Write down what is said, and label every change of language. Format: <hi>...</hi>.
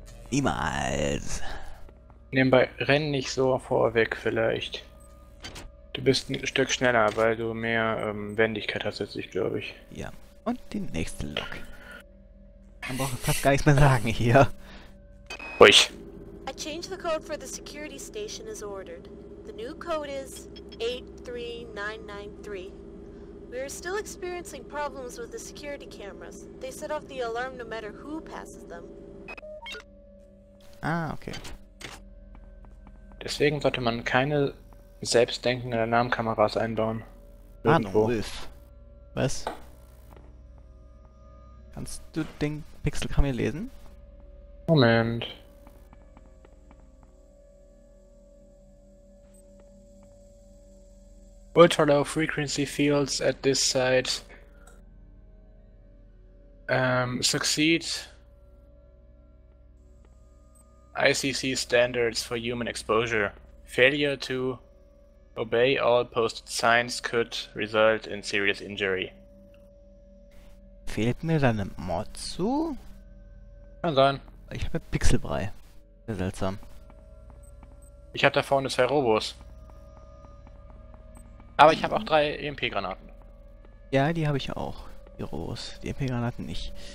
<de>Niemals. Nebenbei, renn nicht so vorweg vielleicht. Du bist ein Stück schneller, weil du mehr Wendigkeit hast als ich, glaube ich. Ja. Und die nächste Lok. Man braucht fast gar nichts mehr sagen hier. Ruhig.</de> <en>I changed the code for the security station as ordered. The new code is 83993. We are still experiencing problems with the security cameras. They set off the alarm no matter who passes them. Ah, okay.</en> <de>Deswegen sollte man keine selbstdenkende Alarmkameras einbauen. Irgendwo. Ah, Wolf. Was? Kannst du den Pixelkram hier lesen? Moment.</de> <en>Ultra low frequency fields at this site. Succeed. ICC standards for human exposure. Failure to obey all posted signs could result in serious injury.</en> <de>Fehlt mir da eine Mod zu? Kann sein. Ich habe Pixelbrei. Sehr seltsam. Ich habe da vorne zwei Robos. Aber ich habe auch drei EMP-Granaten. Ja, die habe ich auch. Die Robos. Die EMP-Granaten nicht.</de>